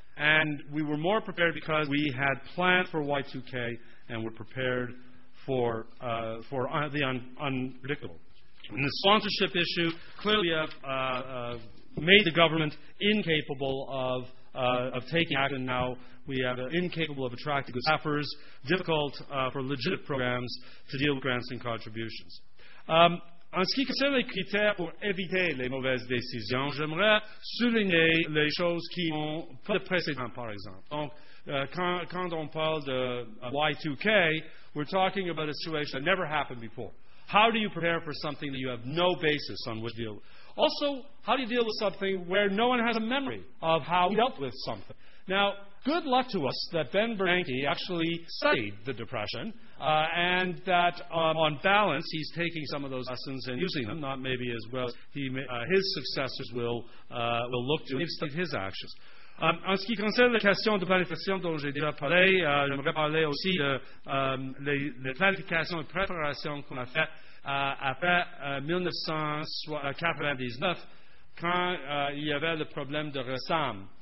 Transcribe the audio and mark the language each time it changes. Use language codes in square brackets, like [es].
[en] And we were more prepared because we had planned for Y2K and were prepared for the unpredictable. And the sponsorship issue, clearly made the government incapable of taking action. Now we are incapable of attracting good staffers, difficult for legitimate programs to deal with grants and contributions. [fr] En ce qui concerne les critères pour éviter les mauvaises décisions, j'aimerais souligner les choses qui n'ont pas de précédent, par exemple. Donc, quand on parle de Y2K, [en] we're talking about a situation that never happened before. How do you prepare for something that you have no basis on which to deal with? Also, how do you deal with something where no one has a memory of how we dealt with something? Now, good luck to us that Ben Bernanke actually studied the Depression and that on balance he's taking some of those lessons and using them, not maybe as well as his successors will look to. He's studied his actions. [fr] En ce qui concerne les questions de planification dont j'ai déjà parlé, j'aimerais parler aussi de les planifications et préparations qu'on a faites après 1999, quand il y avait le problème de Rassam.